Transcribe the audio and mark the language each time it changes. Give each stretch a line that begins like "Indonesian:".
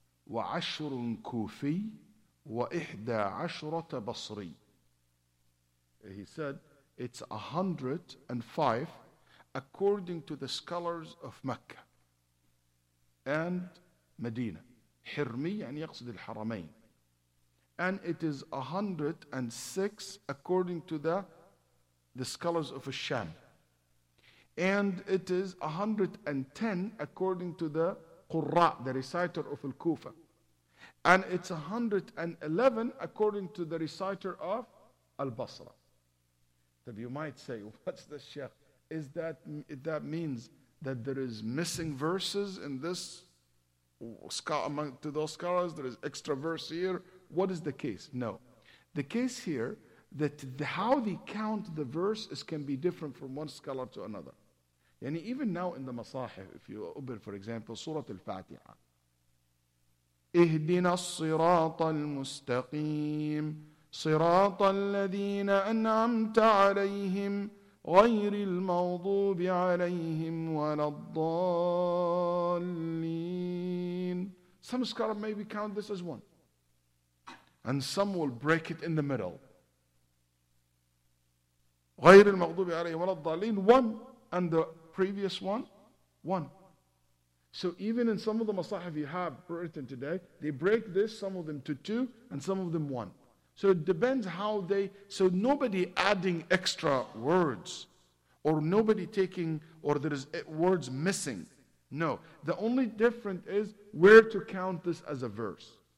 Arabic: وعشر كوفي وإحدى عشرة بصري.
English: He said, it's 105 according to the scholars of Mecca and Medina.
Arabic: حرمي يعني يقصد الحرمين.
English: And it is 106 according to the scholars of Sham. And it is 110 according to the Qurra, the reciter of Al-Kufa. And it's 111 according to the reciter of Al-Basra. So you might say, what's the Sheikh? Is that, that means that there is missing verses in this among to those scholars, there is extra verse here. What is the case? No. The case here, that the, how they count the verses can be different from one scholar to another. Yani even now in the Masahif, if you open, for example, Surah Al-Fatiha,
Arabic: اهدنا الصراط المستقيم صراط الذين أنعمت عليهم غير المغضوب عليهم ولا الضالين.
English: Some scholar maybe count this as one, and some will break it in the middle.
Arabic: غير المغضوب عليهم ولا الضالين,
English: one, and the previous one, one. So even in some of the masahif you have written today, they break this, some of them to two, and some of them one. So it depends how they, so nobody adding extra words, or nobody taking, or there is words missing. No, the only difference is where to count this as a verse.